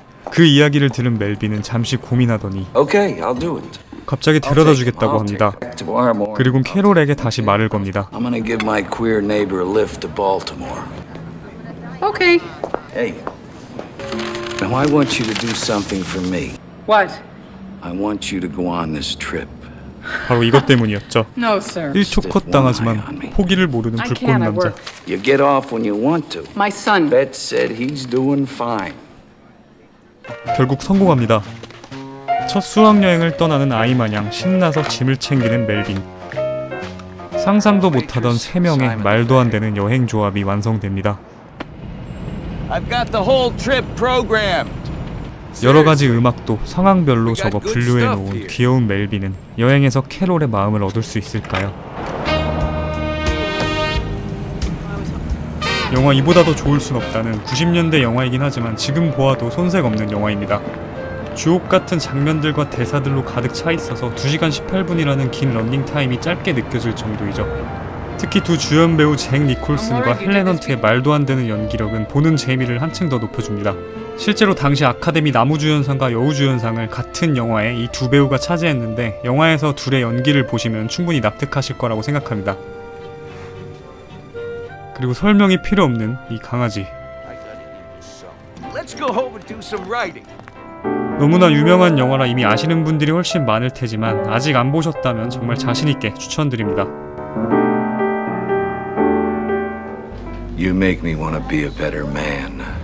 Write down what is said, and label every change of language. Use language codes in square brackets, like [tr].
[ko] 그 이야기를 들은 멜빈은 잠시 고민하더니 갑자기 데려다 주겠다고 합니다. 그리고 캐롤에게 다시 말을 겁니다. [en] I'm gonna give my queer neighbor a lift to Baltimore. Okay. Hey. Now I want you to do something for me. What? I want you to go on this trip. [ko] 바로 이것 때문이었죠. [en] No, sir. [ko] 1초 컷 당하지만 포기를 모르는 불꽃 남자. [en] You get off when you want to. My son. Bet said he's doing fine. [ko] 결국 성공합니다. 첫 수학여행을 떠나는 아이 마냥 신나서 짐을 챙기는 멜빈. 상상도 못하던 세 명의 말도 안 되는 여행 조합이 완성됩니다. [en] I've got the whole trip programmed. [ko] 여러 가지 음악도 상황별로 적어 분류해놓은 귀여운 멜빈은 여행에서 캐롤의 마음을 얻을 수 있을까요? 영화 이보다도 좋을 순 없다는 90년대 영화이긴 하지만 지금 보아도 손색없는 영화입니다. 주옥같은 장면들과 대사들로 가득 차있어서 2시간 18분이라는 긴 런닝타임이 짧게 느껴질 정도이죠. 특히 두 주연 배우 잭 니콜슨과 헬렌 헌트의 말도 안 되는 연기력은 보는 재미를 한층 더 높여줍니다. 실제로 당시 아카데미 남우주연상과 여우주연상을 같은 영화에 이 두 배우가 차지했는데 영화에서 둘의 연기를 보시면 충분히 납득하실 거라고 생각합니다. 그리고 설명이 필요 없는 이 강아지. [en] Let's go home and do some writing. Thank you. [ko] 너무나 유명한 영화라 이미 아시는 분들이 훨씬 많을 테지만 아직 안 보셨다면 정말 자신 있게 추천드립니다. [en] You make me want to be a better man.